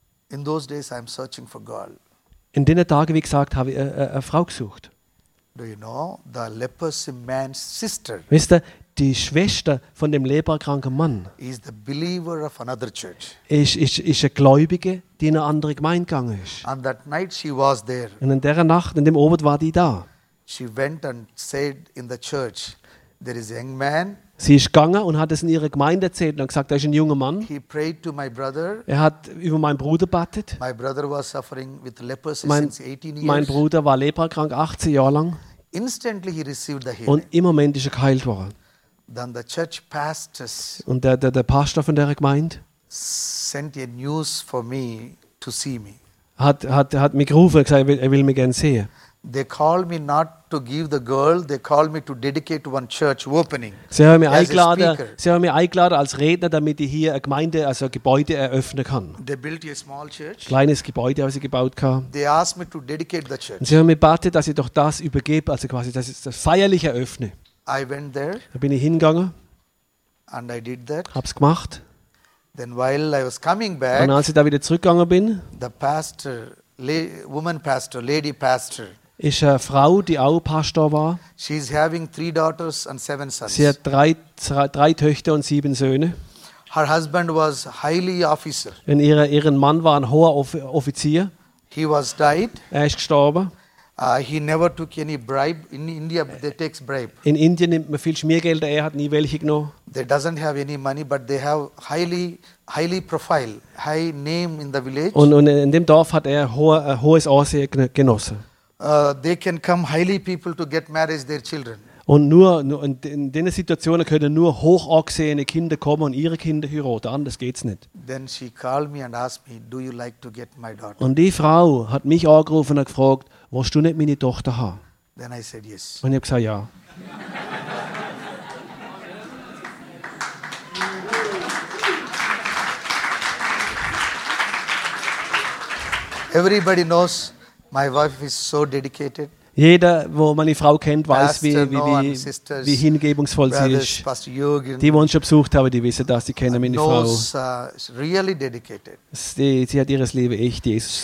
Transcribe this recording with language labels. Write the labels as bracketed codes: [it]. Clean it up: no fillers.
[en] In those days I'm searching for God. [de] In den Tagen, wie gesagt, habe ich eine Frau gesucht. [en] Do you know the leprosy man's sister? [de] Wisst ihr, die Schwester von dem leprakranken Mann [en] is the believer of another church. [de] Ist eine Gläubige, die in eine andere Gemeinde gegangen ist. [en] And that night she was there. [de] Und in der Nacht, in dem Abend, war die da. [en] She went and said in the church, there is a young man. [de] Sie ist gegangen und hat es in ihrer Gemeinde erzählt und hat gesagt, da ist ein junger Mann. [en] He prayed to my brother. [de] Er hat über meinen Bruder betet. [en] My brother was suffering with leprosy since 18 years. [de] Mein Bruder war leprakrank 18 Jahre lang. [en] Instantly he received the healing. [de] Und im Moment ist er geheilt worden. [en] Then the church pastors [de] und der Pastor von der Gemeinde [en] sent a news for me to see me. [de] Hat mich gerufen und gesagt, er will mich gerne sehen. [en] They called me not to give the girl, they called me to dedicate one church opening. [de] Sie haben mich eingeladen als Redner, damit ich hier eine Gemeinde, also ein Gebäude eröffnen kann. [en] They built a small church. [de] Kleines Gebäude, was ich gebaut habe. [en] They asked me to dedicate the church. [de] Und sie haben mich gebeten, dass ich doch das übergebe, also quasi, dass ich das feierlich eröffne. [en] I went there. [de] Da bin ich hingegangen. [en] And I did that. [de] Hab's gemacht. [en] Then while I was coming back. [de] Und als ich da wieder zurückgegangen bin. [en] The pastor, woman pastor, lady pastor. [de] Ist eine Frau, die auch Pastor war. [en] She's having 3 daughters and 7 sons. [de] Sie hat drei Töchter und 7 Söhne. [en] Her husband was highly officer. [de] Und ihren Mann war ein hoher Offizier. [en] He was died. [de] Er ist gestorben. [en] He never took any bribe. In India, they takes bribe. [de] In Indien nimmt man viel Schmiergelder. Er hat nie welche genommen. [en] They doesn't have any money, but they have highly profile, high name in the village. [de] Und in dem Dorf hat er hohes Ansehen genossen. [en] They can come highly people to get married their children. [de] Und nur in den Situationen können nur hoch angesehene Kinder kommen und ihre Kinder heiraten. Anders geht's nicht. [en] Then she called me and asked me, do you like to get my daughter? [de] Und die Frau hat mich angerufen und gefragt, willst du nicht meine Tochter haben? [en] Then I said yes. [de] Und ich habe gesagt ja. [en] Everybody knows my wife is so dedicated. [de] Jeder, wo meine Frau kennt, weiß, wie hingebungsvoll sie ist. [en] Pastor Jürgen, [de] die, uns schon besucht haben, die wissen das. Die kennen meine Frau. [en] Really dedicated. [de] Sie hat ihres Leben echt Jesus